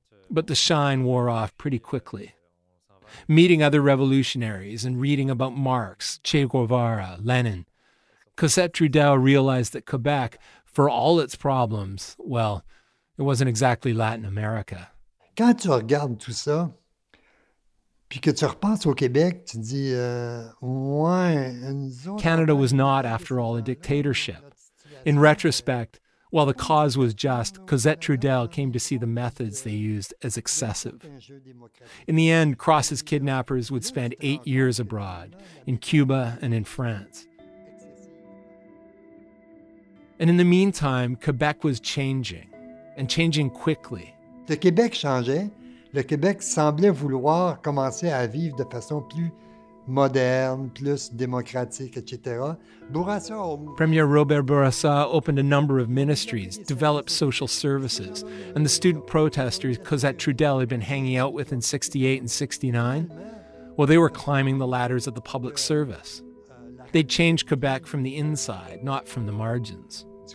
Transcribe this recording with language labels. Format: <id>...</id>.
<en>But the shine wore off pretty quickly. Meeting other revolutionaries and reading about Marx, Che Guevara, Lenin, Cossette Trudel realized that Quebec, for all its problems, well, it wasn't exactly Latin America.</en> <fr>Quand tu regardes tout ça, puis que tu repenses au Québec, tu dis, ouais.</fr> <en>Canada was not, after all, a dictatorship. In retrospect, while the cause was just, Cosette Trudel came to see the methods they used as excessive. In the end, Cross's kidnappers would spend 8 years abroad, in Cuba and in France. And in the meantime, Quebec was changing, and changing quickly.</en> <fr>Le Québec changeait. Le Québec semblait vouloir commencer à vivre de façon plus moderne, plus démocratique, etc. Bourassa...</fr> <en>Premier Robert Bourassa opened a number of ministries, developed social services, and the student protesters Cosette Trudel had been hanging out with in 68 and 69, well, they were climbing the ladders of the public service. They'd changed Quebec from the inside, not from the margins.</en>